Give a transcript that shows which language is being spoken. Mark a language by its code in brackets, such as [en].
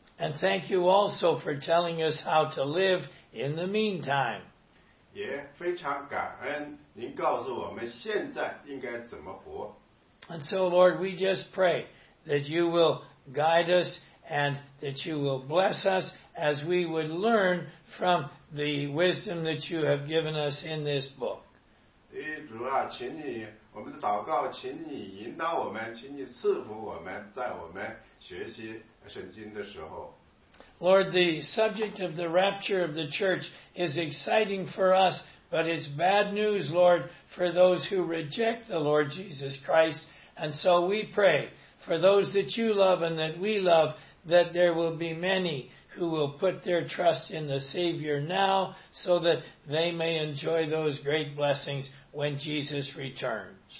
[en] And thank you also for telling us how to live in the meantime. [zh] 也非常感恩您告诉我们现在应该怎么活。 [en] And so, Lord, we just pray that you will guide us and that you will bless us as we would learn from the wisdom that you have given us in this book. [zh] 主啊,请你,我们的祷告,请你引导我们,请你赐福我们,在我们学习圣经的时候。 [en] Lord, the subject of the rapture of the church is exciting for us, but it's bad news, Lord, for those who reject the Lord Jesus Christ. And so we pray for those that you love and that we love, that there will be many who will put their trust in the Savior now so that they may enjoy those great blessings when Jesus returns.